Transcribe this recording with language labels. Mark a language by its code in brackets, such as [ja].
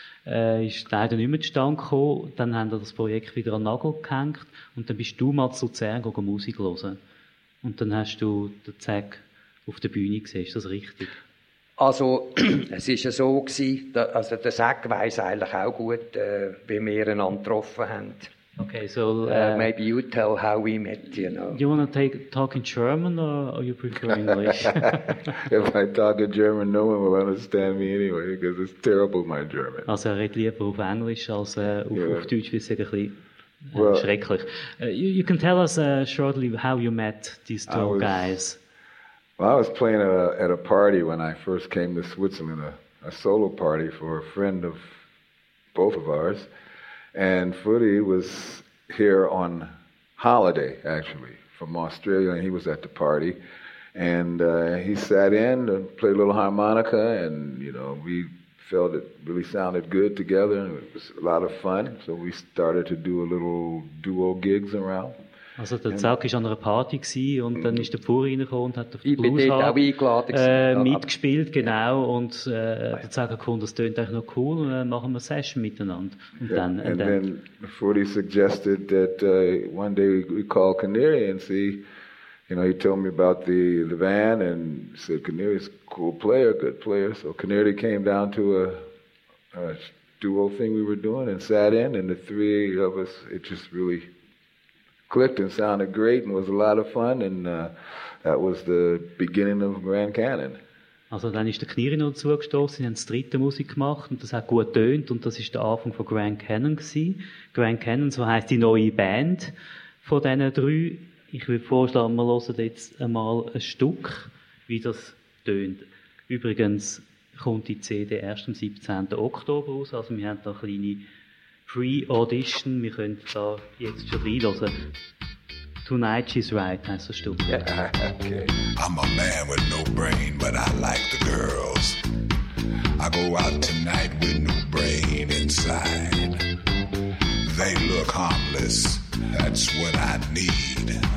[de] Ist leider nicht mehr zustande gekommen. Dann haben wir das Projekt wieder an den Nagel gehängt. Und dann bist du mal zu Luzern gegangen, Musik hören. Und dann hast du den Zeg auf der Bühne gesehen. Ist das richtig? Also, es war ja so gewesen, also der Zeg weiss eigentlich auch gut, wie wir einander getroffen haben. [en] Okay, so... Maybe you tell how we met, you know. Do you want to talk in German or you prefer English? If I talk in German, no one will understand me anyway, because it's terrible, my German. [de] Also, er redet lieber auf Englisch als auf Deutsch, wie es ein bisschen schrecklich. [en] You can tell us shortly how you met these two guys. Well, I was playing at a party when I first came to Switzerland, a solo party for a friend of both of ours. And Footy was here on holiday, actually, from Australia, and he was at the party. And he sat in and played a little harmonica, and, you know, we felt it really sounded good together, and it was a lot of fun. So we started to do a little duo gigs around. [de] Also der Zauk war an einer Party und dann ist der Pfuhr reingekommen und hat auf die Blueshard mitgespielt, genau, und der Zauk hat gefunden, das tönt eigentlich noch cool, machen wir eine Session miteinander. Und dann, [en] then Forty suggested that one day we call Canary and see, you know, he told me about the van and said Canary's a cool player, good player, so Canary came down to a duo thing we were doing and sat in, and the three of us, it just really clicked and sounded great and was a lot of fun, and that was the beginning of Grand Canyon. [de] Also dann ist der Knirin noch zugestossen, sie haben das dritte Musik gemacht und das hat gut getönt und das ist der Anfang von Grand Canyon gewesen. Grand Canyon, so heisst die neue Band von diesen drei. Ich würde vorschlagen, wir hören jetzt einmal ein Stück, wie das tönt. Übrigens kommt die CD erst am 17. Oktober raus, also wir haben da kleine Pre-Audition, wir können da jetzt schon reinhören. Tonight She's Right heißt das Stück. [en] Yeah. Okay. I'm a man with no brain, but I like the girls. I go out tonight with no brain inside. They look harmless, that's what I need.